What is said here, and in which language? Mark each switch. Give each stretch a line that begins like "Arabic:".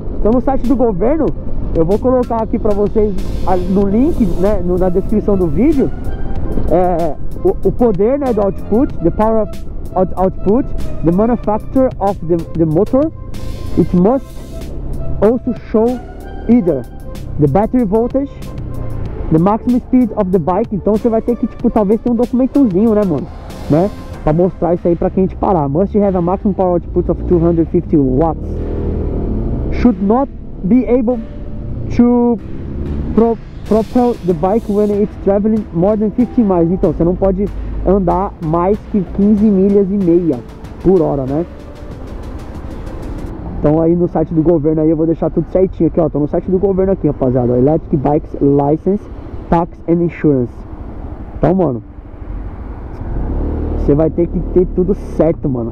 Portuguese: Então no site do governo, eu vou colocar aqui para vocês no link, né, na descrição do vídeo, o poder, né, do output,
English: the power of output, the manufacturer of the motor, it must also show either the battery voltage, the maximum speed of the bike.
Portuguese: Então você vai ter que, tipo, talvez ter um documentozinho, né, mano, né, para mostrar isso aí para quem te parar.
English: Must have a maximum power output of 250 watts. Should not be able to propel the bike when it's traveling more than 15 miles.
Portuguese: Então, você não pode andar mais que 15 milhas e meia por hora, né? Então, aí no site do governo aí, eu vou deixar tudo certinho aqui, ó. Tô no site do governo aqui, rapaziada.
English: Electric Bikes License, Tax and Insurance.
Portuguese: Então, mano, você vai ter que ter tudo certo, mano.